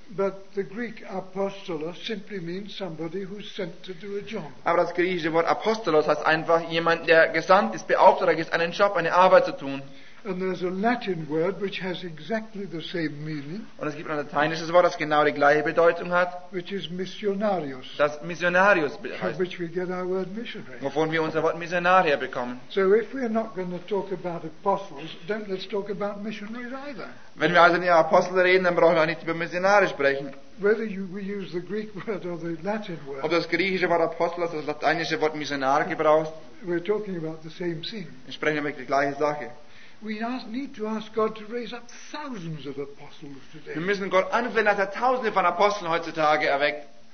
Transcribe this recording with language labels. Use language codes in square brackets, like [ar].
[en] But the Greek apostolos simply means somebody who's sent to do a job. [de] Aber das griechische Wort Apostolos heißt einfach jemand, der gesandt ist, beauftragt ist, einen Job, eine Arbeit zu tun. [en] And there's a Latin word which has exactly the same meaning. [de] Und es gibt ein lateinisches Wort, das genau die gleiche Bedeutung hat. [en] Which is missionarius. [de] Das missionarius heißt. [en] From which we get our word missionary. [de] Wovon wir unser Wort Missionarier bekommen. [en] So if we're not going to talk about apostles, then let's talk about missionaries either. [de] Wenn wir also über Apostel reden, dann brauchen wir auch nicht über Missionare sprechen. [en] Whether we use the Greek word or the Latin word. [de] Ob das griechische Wort Apostolos oder das lateinische Wort Missionar gebraucht. [en] We're talking about the same thing. [de] Wir sprechen über die gleiche Sache. [en] We need to ask God to raise up thousands of apostles today. [de] Wir müssen Gott anflehen, dass er Tausende von Aposteln heutzutage erweckt.